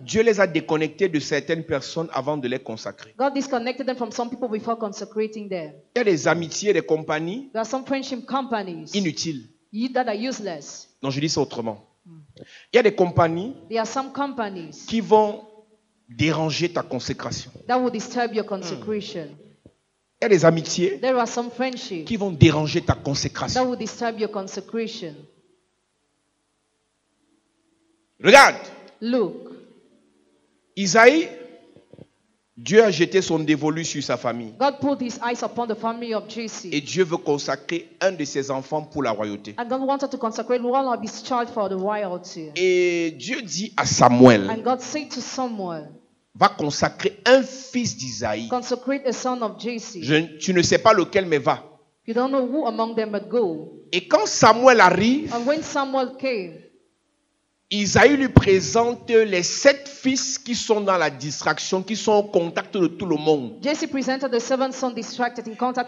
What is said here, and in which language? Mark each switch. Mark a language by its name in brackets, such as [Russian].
[French] Dieu les a déconnectés de certaines personnes avant de les consacrer. [English] God disconnected them from some people before consecrating them. [French] Il y a des amitiés, des compagnies, [English] there are some friendship companies [French] inutiles, [English] that are useless. [French] Non, je dis ça autrement. Il y a des compagnies, [English] there are some companies [French] qui vont déranger ta consécration. [English] That will disturb your consecration. [French] Il y a des amitiés, [English] there are some friendships [French] qui vont déranger ta consécration. [English] That will disturb your consecration. [French] Regarde. [English] Look. [French] Isaïe, Dieu a jeté son dévolu sur sa famille. [English] God put his eyes upon the family of Jesse. [French] Et Dieu veut consacrer un de ses enfants pour la royauté. [English] And God wanted to consecrate one of his child for the royalty. [French] Et Dieu dit à Samuel. [English] And God said to Samuel. [French] Va consacrer un fils d'Isaïe. [English] Consecrate a son of Jesse. [French] Tu ne sais pas lequel, mais va. [English] You don't know who among them but go. [French] Et quand Samuel arrive, [English] and when Samuel came, [French] Isaïe lui présente les sept fils qui sont dans la distraction, qui sont au contact de tout le monde. [English] Jesse presented the seven sons distracted in contact